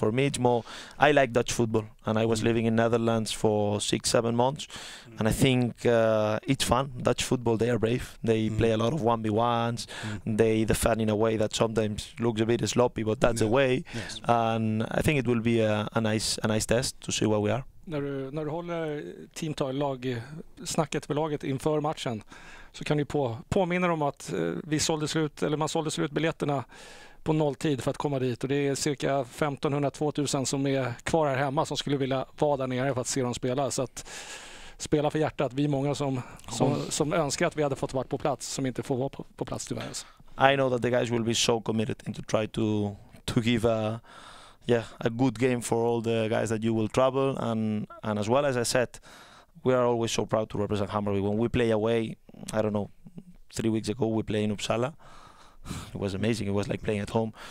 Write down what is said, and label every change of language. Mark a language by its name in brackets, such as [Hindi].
[English] For me, it's more, I like Dutch football, and I was living in Netherlands for 6-7 months, and I think it's fun. Dutch football, they are brave. They play a lot of 1v1s. They defend in a way that sometimes looks a bit sloppy, but that's the way. Yes. And I think it will be a nice test to see where we are. [Swedish] När du håller teamtalag snacket med laget inför matchen, så kan du påminna dem att man sålde slut biljetterna på nolltid för att komma dit, och det är cirka 1500-2000 som är kvar här hemma som skulle vilja vara där nere för att se dem spela. Så att spela för hjärtat, vi är många som önskar att vi hade fått vara på plats, som inte får vara på plats tyvärr. [English] I know that the guys will be so committed and to try to give a good game for all the guys that you will travel, and as well, as I said, we are always so proud to represent Hammarby. When we play away, I don't know, 3 weeks ago we played in Uppsala. It was amazing. It was like playing at home.